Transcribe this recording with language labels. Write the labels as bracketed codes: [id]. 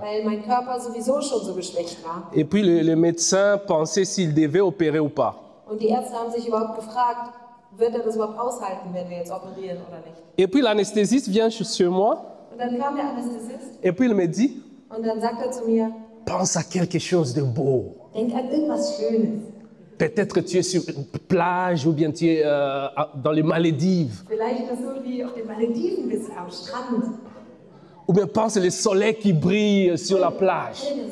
[de] Weil mein Körper sowieso schon so geschwächt war. [fr] Et puis le médecin pensait s'il devait opérer ou pas. [de] Und die Ärzte haben sich überhaupt gefragt, wird er das überhaupt aushalten, wenn wir jetzt operieren oder nicht? [fr] Et puis l'anesthésiste vient sur moi. [de] Und dann kam der Anästhesist. [fr] Et puis il me dit. [de] Und dann sagt er zu mir. [fr] Pense à quelque chose de beau. [de] Denk an irgendwas Schönes. [fr] Peut-être que tu es sur une plage ou bien tu es dans les Malédives. [de] Vielleicht so wie auf den Malediven bist, am Strand. [fr] Ou bien pense au soleil qui brille sur la plage.